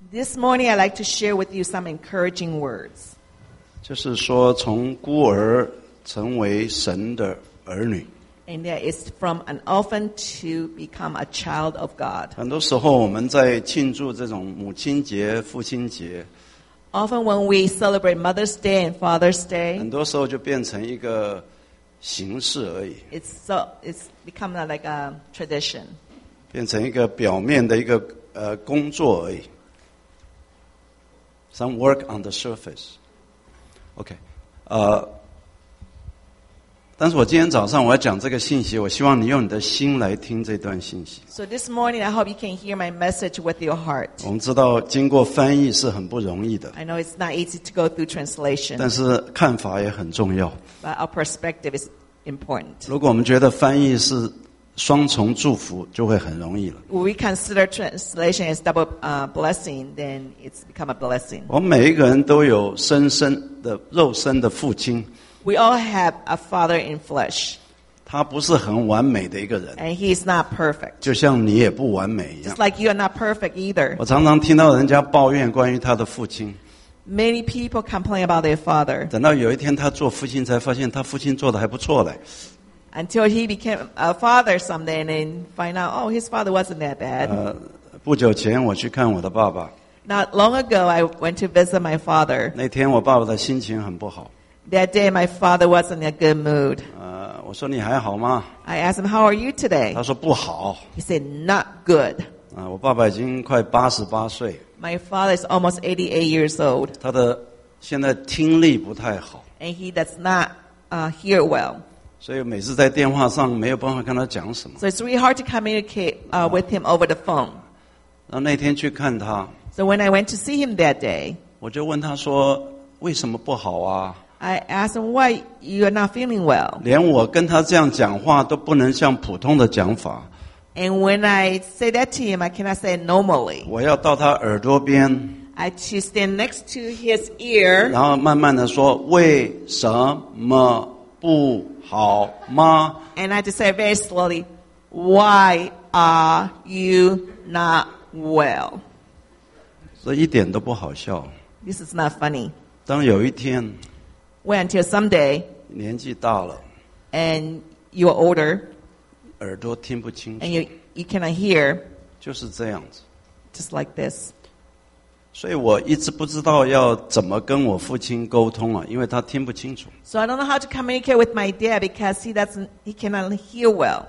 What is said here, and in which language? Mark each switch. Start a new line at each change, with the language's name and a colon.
English: This morning, I'd like to share with you some encouraging words.
Chinese: 就是说，从孤儿成为神的儿女。
English: And that is from an orphan to become a child of God.
Chinese: 很多时候，我们在庆祝这种母亲节、父亲节。
English: Often when we celebrate Mother's Day and Father's Day,
Chinese: 很多时候就变成一个形式而已。
English: It's become like a tradition.
Chinese: 变成一个表面的一个工作而已。
English: Some work on the surface. OK.
Chinese: 但是我今天早上我要讲这个信息，我希望你用你的心来听这段信息。
English: So this morning, I hope you can hear my message with your heart.
Chinese: 我们知道经过翻译是很不容易的。
English: I know it's not easy to go through translation.
Chinese: 但是看法也很重要。
English: But our perspective is important.
Chinese: 如果我们觉得翻译是双重祝福，就会很容易了。
English: When we consider translation as double blessing, then it's become a blessing.
Chinese: 我们每一个人都有深深的肉身的父亲。
English: We all have a father in flesh.
Chinese: 他不是很完美的一个人。
English: And he is not perfect.
Chinese: 就像你也不完美一样。
English: Just like you are not perfect either.
Chinese: 我常常听到人家抱怨关于他的父亲。
English: Many people complain about their father.
Chinese: 等到有一天他做父亲，才发现他父亲做的还不错嘞。
English: Until he became a father someday and find out, oh, his father wasn't that bad.
Chinese: 不久前我去看我的爸爸。
English: Not long ago, I went to visit my father.
Chinese: 那天我爸爸的心情很不好。
English: That day, my father was in a good mood.
Chinese: 我说你还好吗？
English: I asked him, how are you today?
Chinese: 他说不好。
English: He said, not good.
Chinese: 我爸爸已经快88岁。
English: My father is almost 88 years old.
Chinese: 他的现在听力不太好。
English: And he does not hear well.
Chinese: 所以每次在电话上没有办法跟他讲什么。
English: So it's really hard to communicate with him over the phone.
Chinese: 然后那天去看他。
English: So when I went to see him that day,
Chinese: 我就问他说为什么不好啊？
English: I asked him why you are not feeling well.
Chinese: 连我跟他这样讲话都不能像普通的讲法。
English: And when I say that to him, I cannot say it normally.
Chinese: 我要到他耳朵边。
English: I to stand next to his ear.
Chinese: 然后慢慢的说为什么不好吗？
English: And I to say very slowly, why are you not well?
Chinese: 这一点都不好笑。
English: This is not funny.
Chinese: 当有一天
English: Wait until someday,
Chinese: 年纪大了
English: and you are older,
Chinese: 耳朵听不清楚
English: and you cannot hear,
Chinese: 就是这样子
English: just like this.
Chinese: 所以我一直不知道要怎么跟我父亲沟通啊，因为他听不清楚。
English: So I don't know how to communicate with my dad because he cannot hear well.